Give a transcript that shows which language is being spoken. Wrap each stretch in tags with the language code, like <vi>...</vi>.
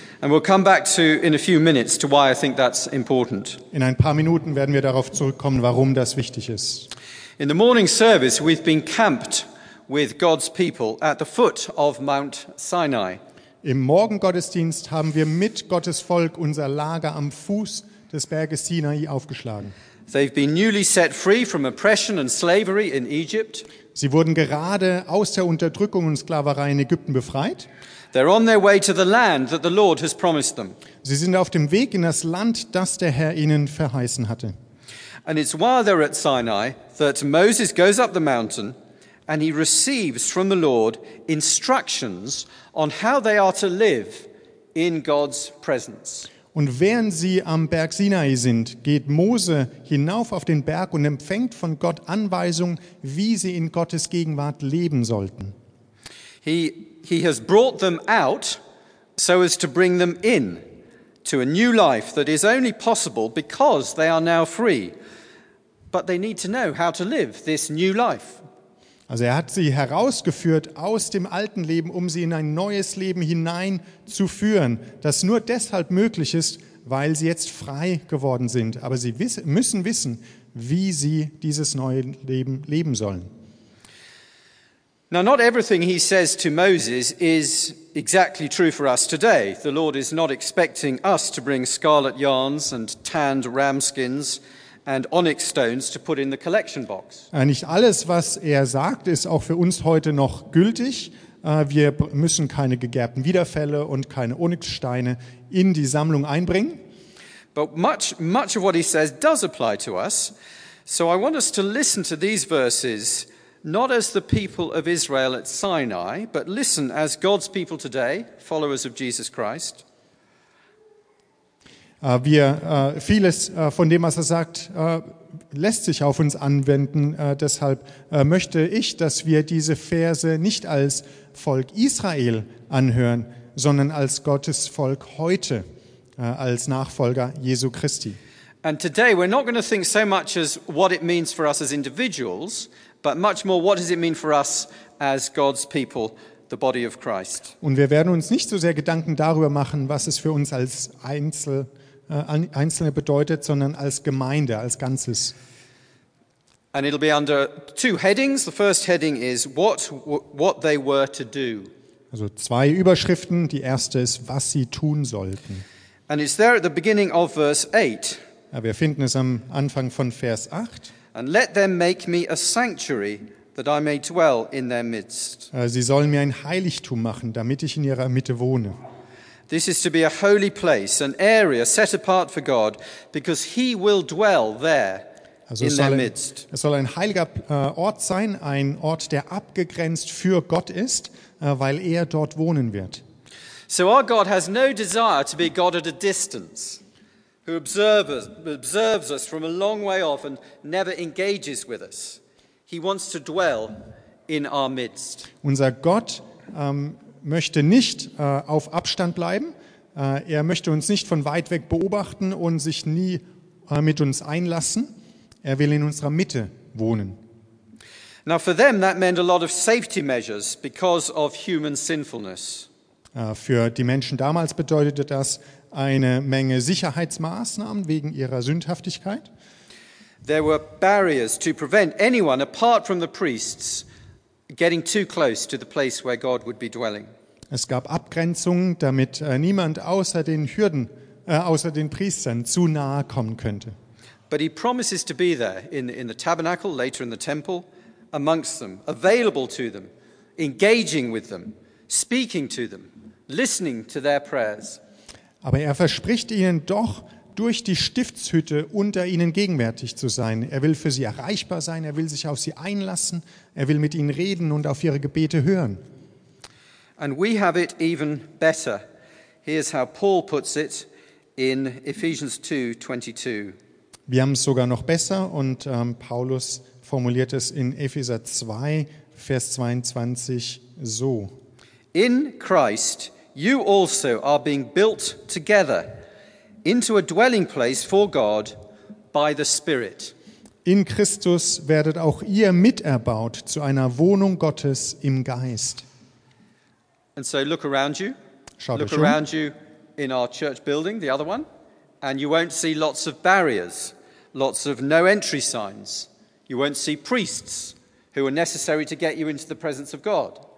<en>And we'll come back to in a few minutes to why I think that's important.</en> <de>In ein paar Minuten werden wir darauf zurückkommen, warum das wichtig ist.</de> <en>In the morning service we've been camped with God's people at the foot of Mount Sinai.</en> <de>Im Morgengottesdienst haben wir mit Gottes Volk unser Lager am Fuß des Berges Sinai aufgeschlagen.</de> <en>They've been newly set free from oppression and slavery in Egypt.</en> <de>Sie wurden gerade aus der Unterdrückung und Sklaverei in Ägypten befreit.</de> <en>They're on their way to the land that the Lord has promised them.</en> <de>Sie sind auf dem Weg in das Land, das der Herr ihnen verheißen hatte.</de> <en>And it's while they're at Sinai that Moses goes up the mountain and he receives from the Lord instructions on how they are to live in God's presence.</en> <de>Und während sie am Berg Sinai sind, geht Mose hinauf auf den Berg und empfängt von Gott Anweisungen, wie sie in Gottes Gegenwart leben sollten.</de> <en>He has brought them out so as to bring them in to a new life that is only possible because they are now free. But they need to know how to live this new life.</en> <de>Also er hat sie herausgeführt aus dem alten Leben, um sie in ein neues Leben hineinzuführen, das nur deshalb möglich ist, weil sie jetzt frei geworden sind. Aber sie müssen wissen, wie sie dieses neue Leben leben sollen.</de> <en>Now, not everything he says to Moses is exactly true for us today. The Lord is not expecting us to bring scarlet yarns and tanned ramskins and onyx stones to put in the collection box.</en> <de>Nicht alles, was er sagt, ist auch für uns heute noch gültig. Wir müssen keine gegerbten Widerfelle und keine Onyxsteine in die Sammlung einbringen.</de> <en>But much of what he says does apply to us. So I want us to listen to these verses not as the people of Israel at Sinai, but listen, as God's people today, followers of Jesus Christ.</en> <de>Vieles von dem, was er sagt, lässt sich auf uns anwenden. Deshalb möchte ich, dass wir diese Verse nicht als Volk Israel anhören, sondern als Gottes Volk heute, als Nachfolger Jesu Christi.</de> <en>And today we're not going to think so much as what it means for us as individuals, but much more what does it mean for us as God's people, the body of Christ.</en> <de>Und wir werden uns nicht so sehr Gedanken darüber machen, was es für uns als Einzelne bedeutet, sondern als Gemeinde, als Ganzes.</de> <en>And it'll be under two headings. The first heading is what they were to do.</en> <de>Also zwei Überschriften. Die erste ist, was sie tun sollten.</de> <en>And it's there at the beginning of verse 8.</en> <de>Ja, wir finden es am Anfang von Vers 8.</de> <en>And let them make me a sanctuary that I may dwell in their midst.</en> <de>Sie sollen mir ein Heiligtum machen, damit ich in ihrer Mitte wohne.</de> <en>This is to be a holy place, an area set apart for God, because he will dwell there in their midst.</en> <de>Es soll ein heiliger Ort sein, ein Ort, der abgegrenzt für Gott ist, weil er dort wohnen wird.</de> <en>So our God has no desire to be God at a distance, who observes us from a long way off and never engages with us. He wants to dwell in our midst.</en> <de>Unser Gott möchte nicht auf Abstand bleiben. Er möchte uns nicht von weit weg beobachten und sich nie mit uns einlassen. Er will in unserer Mitte wohnen.</de> <en>Now for them that meant a lot of safety measures because of human sinfulness.</en> <de>Für die Menschen damals bedeutete das eine Menge Sicherheitsmaßnahmen wegen ihrer Sündhaftigkeit.</de> <en>There were barriers to prevent anyone apart from the priests getting too close to the place where God would be dwelling.</en> <de>Es gab Abgrenzungen, damit niemand außer den Hürden, außer den Priestern zu nahe kommen könnte.</de> <en>But he promises to be there in the tabernacle, later in the temple, amongst them, available to them, engaging with them, speaking to them, listening to their prayers.</en> <de>Aber er verspricht ihnen doch, durch die Stiftshütte unter ihnen gegenwärtig zu sein. Er will für sie erreichbar sein, er will sich auf sie einlassen, er will mit ihnen reden und auf ihre Gebete hören.</de> <en>And we have it even better. Here's how Paul puts it in Ephesians 2:22.</en> <de>Wir haben es sogar noch besser und Paulus formuliert es in Epheser 2, Vers 22 so.</de> <en>In Christ you also are being built together into a dwelling place for God by the Spirit.</en> <de>In Christus werdet auch ihr miterbaut zu einer Wohnung Gottes im Geist.</de> <en>And so look around you.</en> <de>Schaut</de> <en>look around you in our church building, the other one, and you won't see lots of barriers, lots of no entry signs. You won't see priests who are necessary to get you into the presence of God.</en>